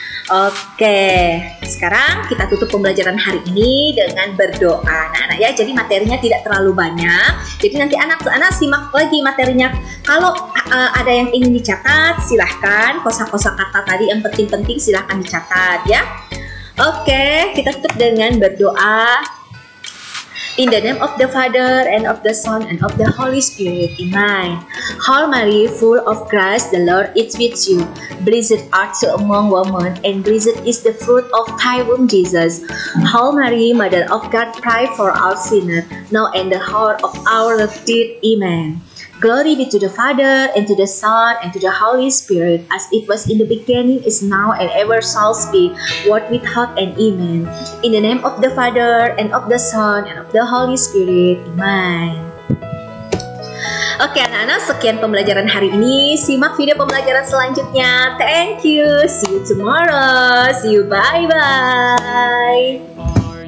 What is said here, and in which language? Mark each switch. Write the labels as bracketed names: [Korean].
[Indonesian] Oke, sekarang kita tutup pembelajaran hari ini dengan berdoa anak-anak ya. Jadi materinya tidak terlalu banyak. Jadi nanti anak-anak simak lagi materinya. Kalau ada yang ingin dicatat, silahkan. Kosa-kosa kata tadi yang penting-penting silahkan dicatat ya. Oke, kita tutup dengan berdoa. [English] In the name of the Father, and of the Son, and of the Holy Spirit, amen. Hail Mary, full of grace, the Lord is with you. Blessed art thou among women, and blessed is the fruit of thy womb, Jesus. Hail Mary, Mother of God, pray for our sinners, now and the hour of our death, amen. Glory be to the Father, and to the Son, and to the Holy Spirit, as it was in the beginning, is now, and ever shall be, world without end. Amen. In the name of the Father, and of the Son, and of the Holy Spirit. Amen. [Indonesian] Oke, anak-anak, sekian pembelajaran hari ini. Simak video pembelajaran selanjutnya. [English] Thank you. See you tomorrow. See you. Bye-bye.